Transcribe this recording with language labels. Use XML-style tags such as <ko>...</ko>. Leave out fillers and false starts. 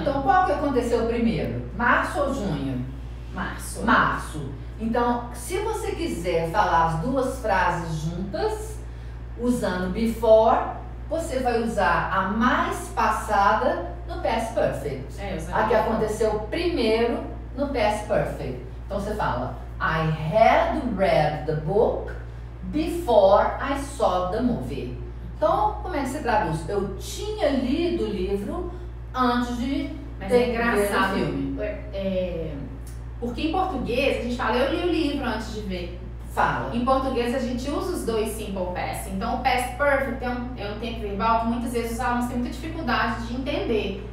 <pt>Então, qual que aconteceu primeiro? Março ou junho? Março. Março. Então, se você quiser falar as duas frases juntas, usando before, você vai usar a mais passada no past perfect. É, exatamente. A que aconteceu primeiro no past perfect. Então, você fala,</pt> <en>I had read the book before I saw the movie.</en> <pt>Então, como é que você traduz? Eu tinha lido o livro antes de ver o filme. Porque em português a gente fala, eu li o livro antes de ver. Fala. Em português a gente usa os dois simple past. Então, o past perfect é um tempo verbal que muitas vezes os alunos têm muita dificuldade de entender.</pt>